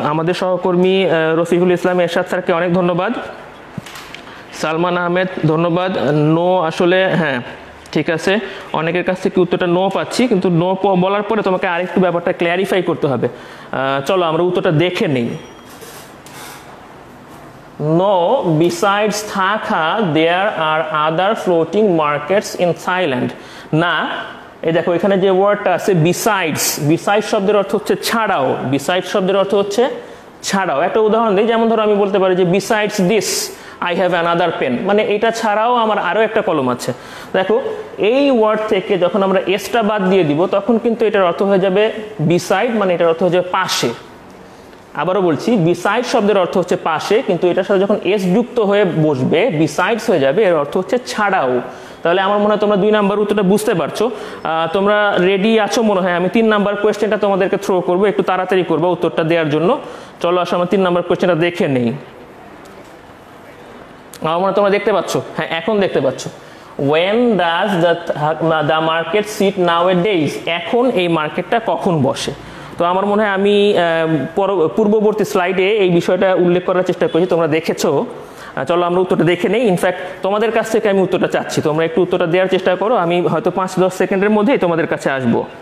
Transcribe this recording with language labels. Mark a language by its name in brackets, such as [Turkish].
[Bangla] আমাদের সহকর্মী রফিকুল ইসলাম এরশাদ স্যারকে অনেক ধন্যবাদ। সালমান আহমেদ ধন্যবাদ। নো আসলে, হ্যাঁ ঠিক আছে, অনেকের কাছ থেকে উত্তরটা নো পাচ্ছি, কিন্তু নো বলার পরে তোমাকে আরেকটু ব্যাপারটা ক্ল্যারিফাই করতে হবে। চলো আমরা উত্তরটা দেখে নিই। [English] No, besides Thaka, there are other floating markets in Thailand. [Bangla] না, এই দেখো এখানে যে ওয়ার্ডটা আছে বিসাইডস, বিসাইড শব্দের অর্থ হচ্ছে ছাড়াও। বিসাইড শব্দের অর্থ হচ্ছে ছাড়াও। একটা উদাহরণ দিই, যেমন ধরো আমি বলতে পারি যে [English] besides this I have another pen, [Bangla] মানে এটা ছাড়াও আমার আরও একটা কলম আছে। দেখো এই ওয়ার্ড থেকে যখন আমরা এসটা বাদ দিয়ে দিব, তখন কিন্তু এটার অর্থ হয়ে যাবে বিসাইড, মানে এটার অর্থ হয়ে যাবে পাশে। আবারও বলছি, বিসাইড শব্দের অর্থ হচ্ছে পাশে, কিন্তু এটার সাথে যখন এস যুক্ত হয়ে বসবে, বিসাইডস হয়ে যাবে, এর অর্থ হচ্ছে ছাড়াও। তাহলে আমার মনে হয় তোমরা 2 নাম্বার উত্তরটা বুঝতে পারছো। তোমরা রেডি আছো মনে হয়। আমি 3 নাম্বার কোয়েশ্চেনটা তোমাদেরকে থ্রো করবো, একটু তাড়াতাড়ি করবো উত্তরটা দেওয়ার জন্য। চলো আসো আমার 3 নাম্বার কোয়েশ্চেনটা দেখে নেই। আমার মনে হয় তোমরা দেখতে পাচ্ছ, হ্যাঁ এখন দেখতে পাচ্ছ। [English] When does the market sit nowadays? [Bangla] এখন এই মার্কেটটা কখন বসে? তো আমার মনে হয় আমি পূর্ববর্তী স্লাইডে এই বিষয়টা উল্লেখ করার চেষ্টা করেছি, তোমরা দেখেছো। চলো আমরা উত্তরটা দেখে নেই। ইনফ্যাক্ট তোমাদের কাছ থেকে আমি উত্তরটা চাচ্ছি, তোমরা একটু উত্তরটা দেওয়ার চেষ্টা করো, আমি হয়তো 5-10 সেকেন্ডের মধ্যেই তোমাদের কাছে আসবো।